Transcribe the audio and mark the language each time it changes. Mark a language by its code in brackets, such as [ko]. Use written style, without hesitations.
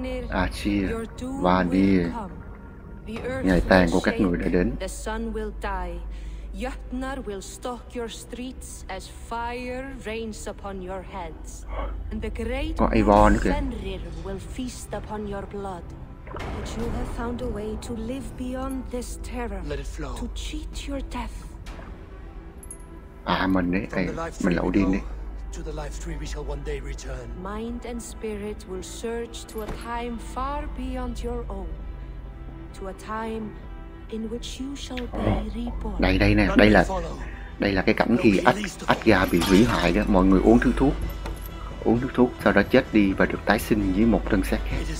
[vi] Asir, Vanir, ngày tàn của các người đã đến. [en] The sun will die. Jötnar will stalk your streets as fire rains upon your heads. And the great Fenrir will feast upon your blood. But you have found a way to live beyond this terror. Let it flow. To cheat your death. À, mình đấy, ấy, mình lẩu điên đi. To the life tree we shall one day return. Mind and spirit will surge to a time far beyond your own. To a time in which you shall be reborn. [vi] Đây đây nè, đây là cái cảnh khi Asgard bị hủy hoại đó. Mọi người uống thứ thuốc, sau đó chết đi và được tái sinh dưới một thân xác khác.